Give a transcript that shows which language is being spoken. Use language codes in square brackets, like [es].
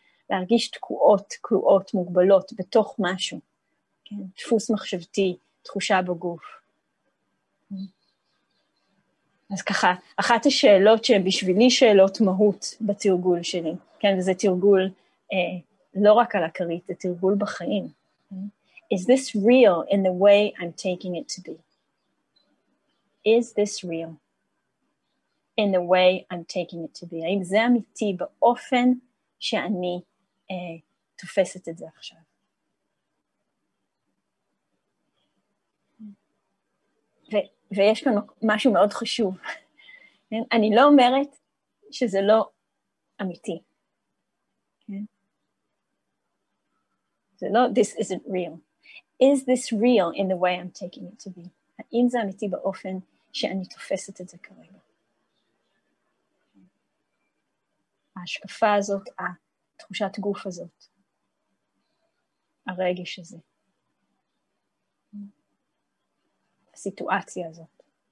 [he] להרגיש תקועות, כלואות, מוגבלות, בתוך משהו. כן? דפוס מחשבתי, תחושה בגוף. אז ככה, אחת השאלות שבשבילי שאלות מהות בתרגול שלי, כן? וזה תרגול לא רק על הכרית, זה תרגול בחיים. [en] Is this real in the way I'm taking it to be? Is this real in the way I'm taking it to be? [he] האם זה אמיתי באופן שאני תופסת את זה עכשיו. ויש כאן משהו מאוד חשוב. אני לא אומרת שזה לא אמיתי. זה לא, [en] this isn't real. Is this real in the way I'm taking it to be? [he] האם זה אמיתי באופן שאני תופסת את זה כרגע? ההשקפה הזאת, תחושת גוף הזאת, הרגש הזה, הסיטואציה הזאת.